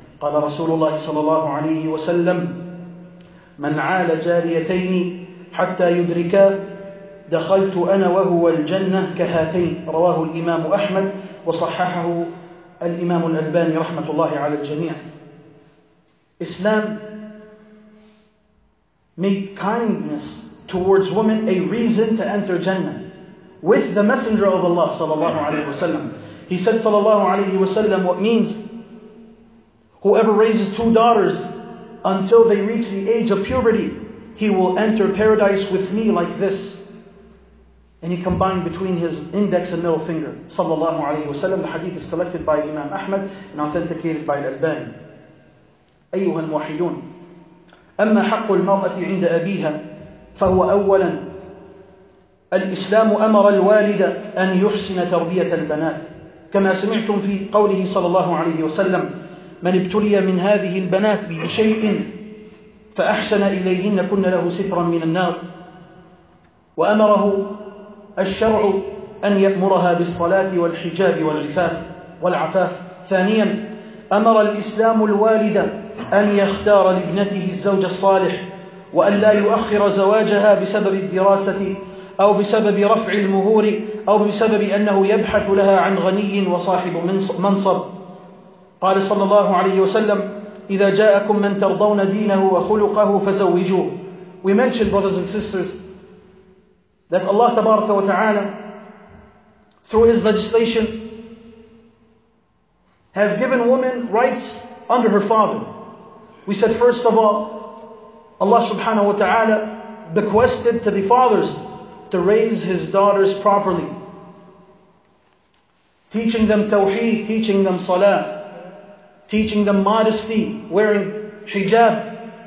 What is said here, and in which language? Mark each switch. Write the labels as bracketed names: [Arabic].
[Arabic] قال رسول الله صلى الله عليه وسلم من عال جاريتين حتى يدركا دخلت أنا وهو الجنة كهاتين رواه الإمام أحمد وصححه الإمام الألباني رحمة الله على الجميع. [English] Islam made kindness towards women a reason to enter Jannah with the Messenger of Allah [Arabic] صلى الله عليه وسلم. [English] He said [Arabic] صلى الله عليه وسلم, [English] what means? Whoever raises two daughters until they reach the age of puberty, he will enter paradise with me like this. And he combined between his index and middle finger. [Arabic] Sallallahu alayhi wa sallam. [English] The hadith is collected by Imam Ahmad and authenticated by Al-Albani. [Arabic] أيها الموحدون أما حق المرأة عند أبيها فهو أولا الإسلام أمر الوالد أن يحسن تربية البنات كما سمعتم في قوله صلى الله عليه وسلم من ابتلي من هذه البنات بشيء فأحسن إليهن كن له سترا من النار وأمره الشرع أن يأمرها بالصلاة والحجاب والعفاف والعفاف. ثانيا أمر الإسلام الوالدة أن يختار لابنته الزوج الصالح وأن لا يؤخر زواجها بسبب الدراسة أو بسبب رفع المهور أو بسبب أنه يبحث لها عن غني وصاحب منصب. قال صلى الله عليه وسلم إذا جاءكم من ترضون دينه وخلقه فزوجوه. [English] We mentioned, brothers and sisters, that Allah [Arabic] tabaraka wa ta'ala, [English] through His legislation, has given women rights under her father. We said, first of all, Allah subhanahu wa ta'ala bequested to the fathers to raise his daughters properly, teaching them tawheed, teaching them salah, teaching them modesty, wearing hijab.